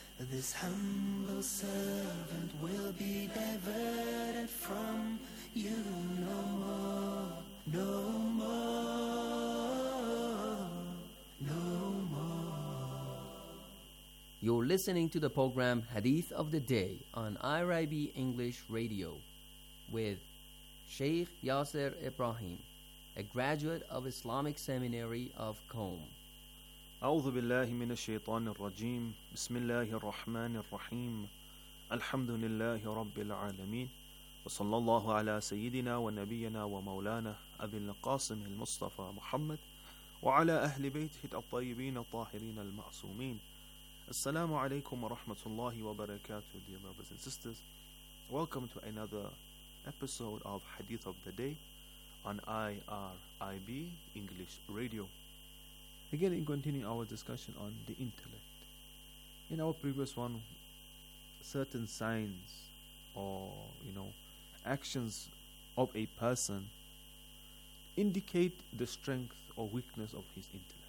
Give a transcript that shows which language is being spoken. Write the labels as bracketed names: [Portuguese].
[English] This humble servant will be diverted from you no more, no more, no more. You're listening to the program Hadith of the Day on IRIB English Radio with Sheikh Yasser Ibrahim, a graduate of Islamic Seminary of Qom. [Arabic] أعوذ بالله من الشيطان الرجيم بسم الله الرحمن الرحيم الحمد لله رب العالمين وصلى الله على سيدنا ونبينا ومولانا أبي القاسم المصطفى محمد وعلى أهل بيته الطيبين الطاهرين المعصومين السلام عليكم ورحمة الله وبركاته. [English] Dear brothers and sisters, welcome to another episode of Hadith of the Day on IRIB English Radio. Again, in continuing our discussion on the intellect. In our previous one, certain signs or, you know, actions of a person indicate the strength or weakness of his intellect.